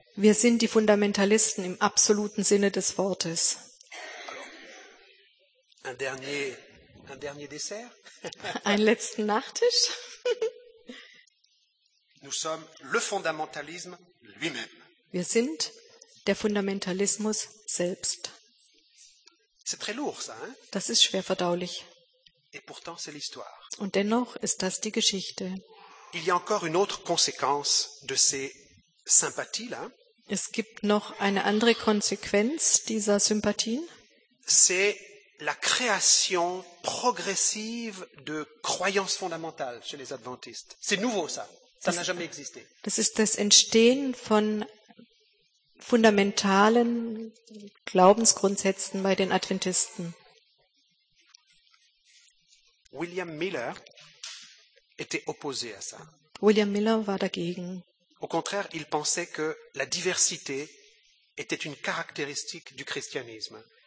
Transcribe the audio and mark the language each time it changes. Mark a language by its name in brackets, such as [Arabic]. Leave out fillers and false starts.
[German] Wir sind die Fundamentalisten im absoluten Sinne des Wortes. [French] Alors, un dernier dessert? [German] Einen letzten Nachtisch? [French] Nous sommes le fundamentalisme lui-même. [German] Wir sind der Fundamentalismus selbst. [French] C'est très lourd, ça, hein? [German] Das ist schwer verdaulich. [French] Et pourtant, c'est l'histoire. [German] Und dennoch ist das die Geschichte. [French] Il y a encore une autre conséquence de ces sympathies-là. [German] Es gibt noch eine andere Konsequenz dieser Sympathien. [French] C'est la création progressive de croyances fondamentales chez les Adventistes. C'est nouveau, ça. Ça n'a jamais existé. [German] Das ist das Entstehen von fundamentalen Glaubensgrundsätzen bei den Adventisten. [French] William Miller était opposé à ça. [German] William Miller war dagegen. [French] Au contraire, il pensait que la diversité était une caractéristique du christianisme.